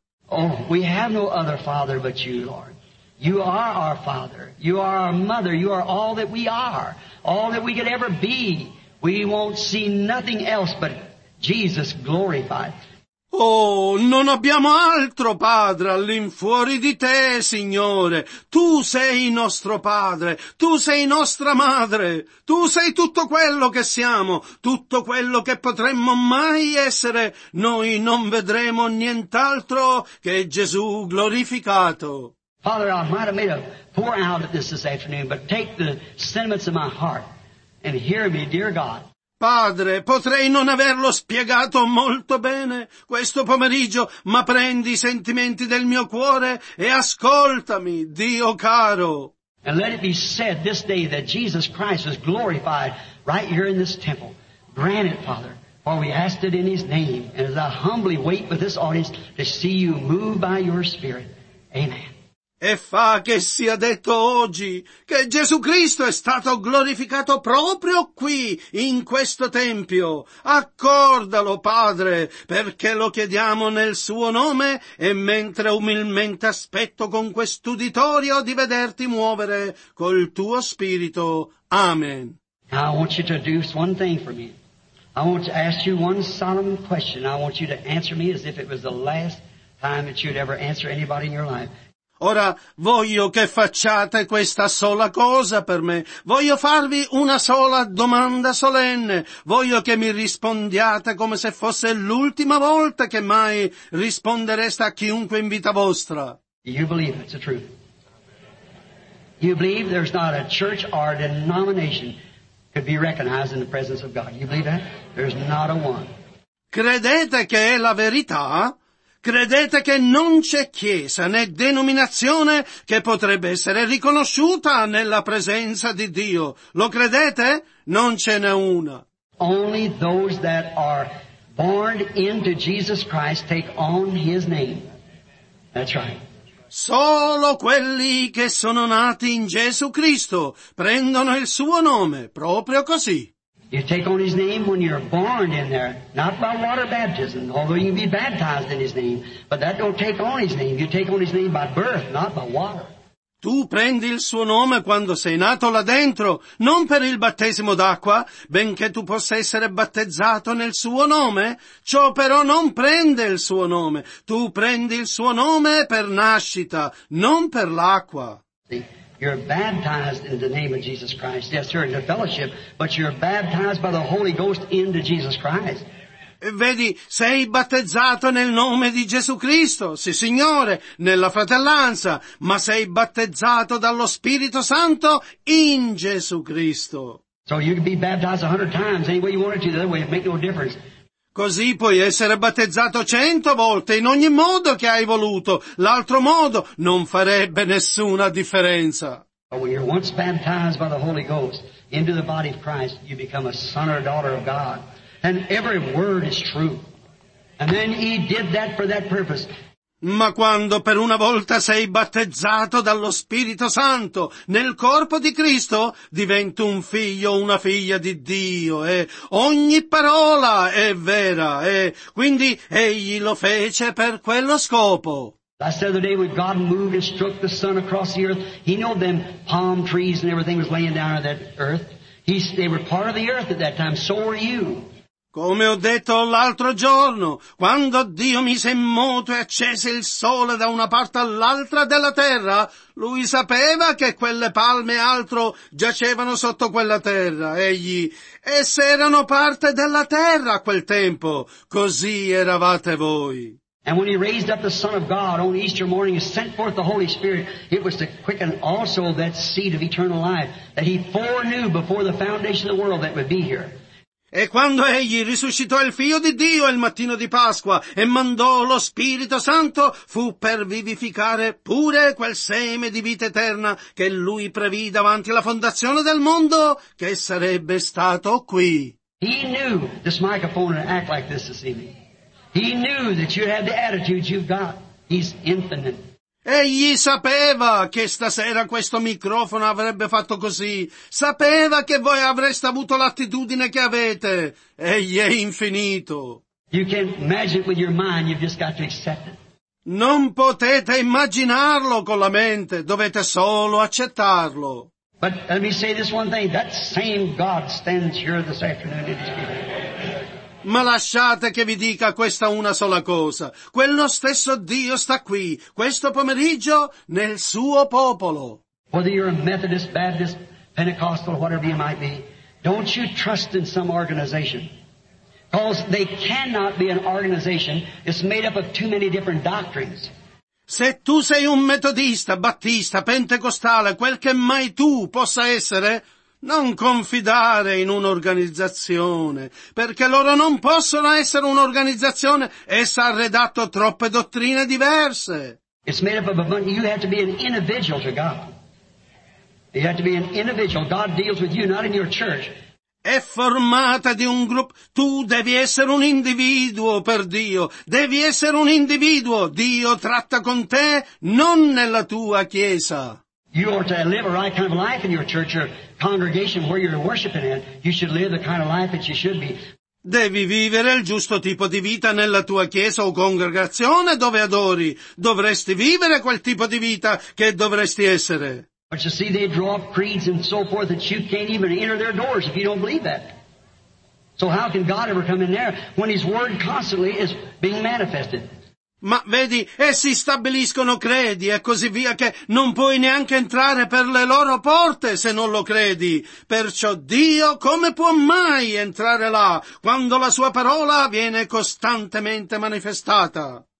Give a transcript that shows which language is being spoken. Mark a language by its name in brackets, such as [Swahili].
[English] Oh, we have no other Father but You, Lord. You are our Father. You are our Mother. You are all that we are. All that we could ever be. We won't see nothing else but Jesus glorified. [Italian] Oh, non abbiamo altro Padre all'infuori di Te, Signore. Tu sei nostro Padre, Tu sei nostra Madre, Tu sei tutto quello che siamo, tutto quello che potremmo mai essere. Noi non vedremo nient'altro che Gesù glorificato. [English] Father, I might have made a pour out at this afternoon, but take the sentiments of my heart and hear me, dear God. [Italian] Padre, potrei non averlo spiegato molto bene questo pomeriggio, ma prendi i sentimenti del mio cuore e ascoltami, Dio caro. [English] And let it be said this day that Jesus Christ is glorified right here in this temple. Grant it, Father, for we ask it in His name. And as I humbly wait with this audience to see You move by Your Spirit. Amen. [Italian] E fa che sia detto oggi che Gesù Cristo è stato glorificato proprio qui, in questo Tempio. Accordalo, Padre, perché lo chiediamo nel Suo nome e mentre umilmente aspetto con quest'uditorio di vederti muovere col Tuo Spirito. Amen. [English] Now I want you to do one thing for me. I want to ask you one solemn question. I want you to answer me as if it was the last time that you'd ever answer anybody in your life. [Italian] Ora voglio che facciate questa sola cosa per me. Voglio farvi una sola domanda solenne. Voglio che mi rispondiate come se fosse l'ultima volta che mai rispondereste a chiunque in vita vostra. [English] You believe it's the truth. You believe there's not a church or a denomination could be recognized in the presence of God. You believe that? There's not a one. [Italian] Credete che è la verità? Credete che non c'è chiesa né denominazione che potrebbe essere riconosciuta nella presenza di Dio? Lo credete? Non ce n'è una. [English] Only those that are born into Jesus Christ take on His name. That's right. [Italian] Solo quelli che sono nati in Gesù Cristo prendono il Suo nome, proprio così. [English] You take on His name when you're born in there, not by water baptism, although you can be baptized in His name, but that don't take on His name. You take on His name by birth, not by water. [Italian] Tu prendi il Suo nome quando sei nato là dentro, non per il battesimo d'acqua, benché tu possa essere battezzato nel Suo nome. Ciò però non prende il Suo nome. Tu prendi il Suo nome per nascita, non per l'acqua. [English] See? You're baptized in the name of Jesus Christ. Yes, sir, in the fellowship, but you're baptized by the Holy Ghost into Jesus Christ. [Italian] Vedi, sei battezzato nel nome di Gesù Cristo, sì signore, nella fratellanza, ma sei battezzato dallo Spirito Santo in Gesù Cristo. [English] So you can be baptized 100 times, any way you wanted to, the other way, it make no difference. [Italian] Così puoi essere battezzato 100 volte in ogni modo che hai voluto. L'altro modo non farebbe nessuna differenza. [English] When you're once baptized by the Holy Ghost into the body of Christ, you become a son or a daughter of God. And every word is true. And then He did that for that purpose. [Italian] Ma quando per una volta sei battezzato dallo Spirito Santo nel corpo di Cristo, diventi un figlio o una figlia di Dio, e ogni parola è vera, e quindi Egli lo fece per quello scopo. [English] That's the other day when God moved and struck the sun across the earth. He knew them palm trees and everything was laying down on that earth. They were part of the earth at that time, so were you. [Italian] Come ho detto l'altro giorno, quando Dio mise in moto e accese il sole da una parte all'altra della terra, Lui sapeva che quelle palme e altro giacevano sotto quella terra, Egli. Esse erano parte della terra a quel tempo, così eravate voi. [English] And when He raised up the Son of God on Easter morning and sent forth the Holy Spirit, it was to quicken also that seed of eternal life that He foreknew before the foundation of the world that would be here. [Italian] E quando Egli risuscitò il Figlio di Dio il mattino di Pasqua e mandò lo Spirito Santo, fu per vivificare pure quel seme di vita eterna che Lui previde davanti alla fondazione del mondo che sarebbe stato qui. [English] He knew this microphone would act like this this evening. He knew that you had the attitudes you've got. He's infinite. [Italian] Egli sapeva che stasera questo microfono avrebbe fatto così. Sapeva che voi avreste avuto l'attitudine che avete. Egli è infinito. [English] You can't imagine it with your mind, you've just got to accept it. [Italian] Non potete immaginarlo con la mente, dovete solo accettarlo. [English] But let me say this one thing, that same God stands here this afternoon in His people. [Italian] Ma lasciate che vi dica questa una sola cosa. Quello stesso Dio sta qui, questo pomeriggio, nel Suo popolo. [English] Whether you're a Methodist, Baptist, Pentecostal, whatever you might be, don't you trust in some organization. Because they cannot be an organization. It's made up of too many different doctrines. [Italian] Se tu sei un metodista, battista, pentecostale, quel che mai tu possa essere, non confidare in un'organizzazione, perché loro non possono essere un'organizzazione, essa ha redatto troppe dottrine diverse. [English] It's made up of a bunch. You have to be an individual to God. You have to be an individual. God deals with you, not in your church. [Italian] È formata di un gruppo. Tu devi essere un individuo per Dio. Devi essere un individuo. Dio tratta con te, non nella tua chiesa. [English] You ought to live a right kind of life in your church or congregation where you're worshiping in. You should live the kind of life that you should be. [Italian] Devi vivere il giusto tipo di vita nella tua chiesa o congregazione dove adori. Dovresti vivere quel tipo di vita che dovresti essere. [English] But you see, they draw up creeds and so forth that you can't even enter their doors if you don't believe that. So how can God ever come in there when His Word constantly is being manifested? [Italian] Ma vedi, essi stabiliscono credi e così via che non puoi neanche entrare per le loro porte se non lo credi. Perciò Dio come può mai entrare là quando la sua parola viene costantemente manifestata?